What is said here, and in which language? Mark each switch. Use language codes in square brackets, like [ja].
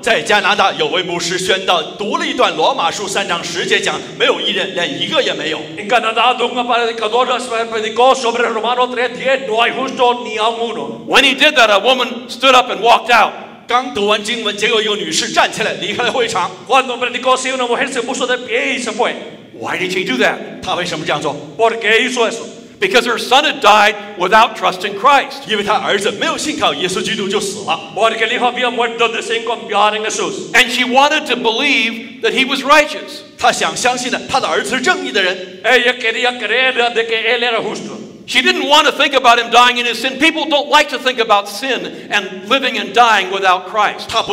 [zh] 在加拿大，有位牧师宣道，读了一段罗马书3章10节，讲没有一人，连一个也没有。 [es] En Canadá, un predicador predicó sobre Romanos 3:10, no hay justo ni a uno. [en] When he did that, a woman stood up and walked out. [zh] 刚读完经文，结果一个女士站起来离开了会场。 [es] Cuando predicó, si una mujer se puso de pie y se fue. [en] Why did she do that? [zh] 她为什么这样做? [es] Porque hizo eso. [en] Because her son had died without trusting Christ. [zh] 因为她儿子没有信靠耶稣基督就死了。 [es] Porque el hijo había muerto sin confiar en Jesús. [en] And she wanted to believe that he was righteous. [zh] 她想相信的，她的儿子是正义的人。 [es] Ella quería creer de que él era justo. [en] She didn't want to think about him dying in his sin. People don't like to think about sin and living and dying without Christ.